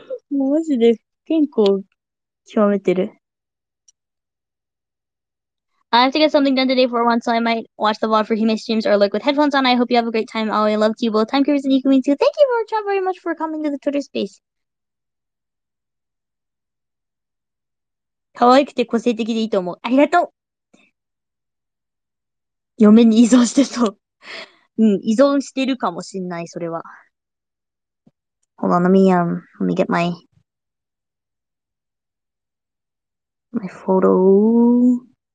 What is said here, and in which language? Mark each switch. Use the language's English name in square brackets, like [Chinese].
[Japanese] もうマジで健康極めてる。 [English] I have to get something done today for once, so I might watch the VOD for Hime streams or look with headphones on. I hope you have a great time. Oh, I love you both. Time Creepers and Yuka Queen too. Thank you for chat very much for coming to the Twitter space. [Japanese] かわいくて個性的でいいと思う。ありがとう!嫁に依存してそう。うん、依存してるかもしんない、それは。 [English] Hold on, let me get my photo.